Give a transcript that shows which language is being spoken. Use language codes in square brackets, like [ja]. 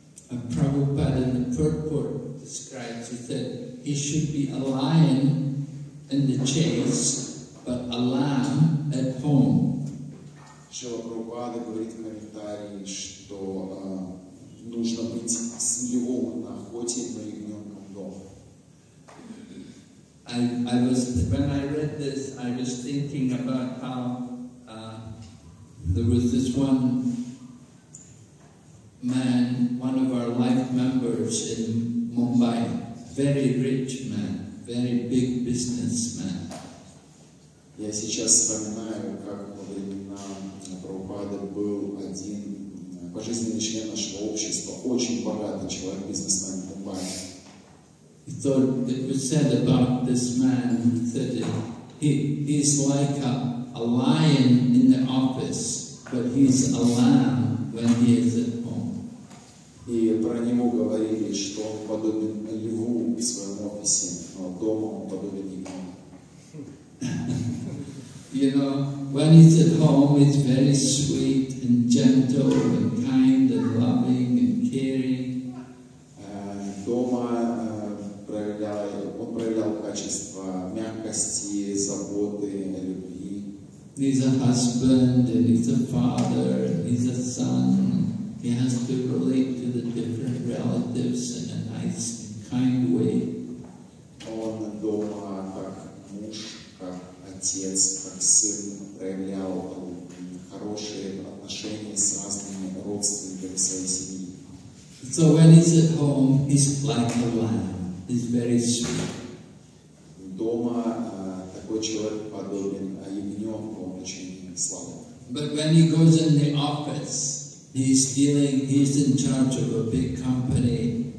[en] And Prabhupada in the purport describes, he said, he should be a lion in the chase, but a lamb at home. [ru] Шрила Прабхупада говорит в комментарии, что нужно быть с львом на охоте, но ягненком дома. [en] When I read this, I was thinking about how there was this one man, one of our life members in Mumbai, very rich man, very big businessman. [ru] Я сейчас вспоминаю, как во времена Прабхупады был один пожизненный член нашего общества, очень богатый человек, бизнесмен в Мумбаи. [en] So it was said about this man, that he's like a lion in the office, but he's a lamb when he is at [ru] И про него говорили, что он подобен льву в своем офисе, но дома он подобен ягненку. [en] You know, when he's at home, he's very sweet and gentle and kind and loving and caring. [ru] Дома он проявлял качества мягкости, заботы, любви. [en] He's a husband and he's a father and he's a son. He has to relate to the different relatives in a nice, kind way. [ru] Он дома как муж, как отец, как сын проявлял хорошие отношения с разными родственниками своей семьи. [en] So when he's at home, he's like a lamb. He's very sweet. [ru] Дома такой человек подобен ягненку, он очень славный. [en] But when he goes in the office, He's in charge of a big company.